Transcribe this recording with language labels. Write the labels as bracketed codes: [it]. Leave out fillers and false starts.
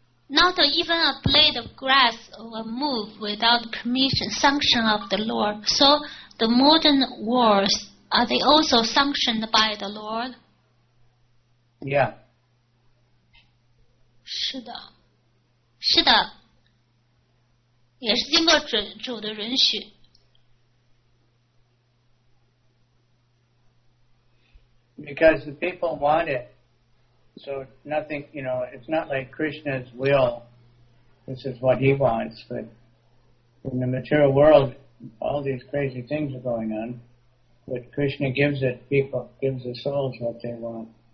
[en] Not even a blade of grass will move without permission, sanction of the Lord. So the modern wars, are they also sanctioned by the Lord? Yeah. [zh] 是的，是的，也是经过主的允许。 [en] Because the people want it, so nothing, you know, it's not like Krishna's will. This is what he wants, but in the material world, all these crazy things are going on. But Krishna gives it, people, gives the souls what they want.